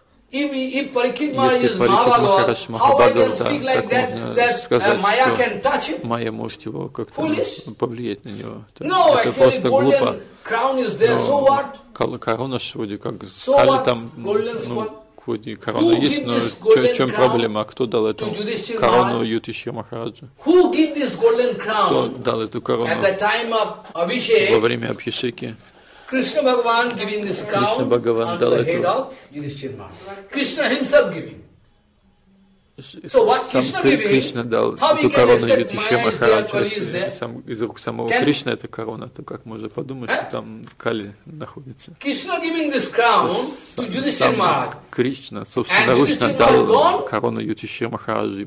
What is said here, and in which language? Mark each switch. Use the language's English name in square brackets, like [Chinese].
[English] If Parikshit Maharaj is Mahabhagavat, how I can speak like that, that Maya can touch him? [Russian] Maya может его как-то повлиять на него. [English] No, [Russian] это просто глупо. [English] Crown is there, so what? [Russian] Корона же вроде как, кали там, ну, вроде корона есть, но в чем проблема? Кто дал эту корону Юдхиштхира Махараджу? [English] Who gave this golden crown? [Russian] Кто дал эту корону? [English] At the time of Abhishek. [Russian] Во время Абхишеки. [English] Krishna Bhagavan giving this crown on the head of Yudhishthira Maharaj. Krishna himself giving. So what Krishna giving? [Russian] Сам Кришна дал эту корону Юдхиштхира Махараджу. Сам из рук самого Кришны эта корона, то как можно подумать, что там кали находится? [English] Krishna giving this crown to Yudhishthira Maharaj. [Russian] Кришна собственноручно дал корону Юдхиштхира Махараджу.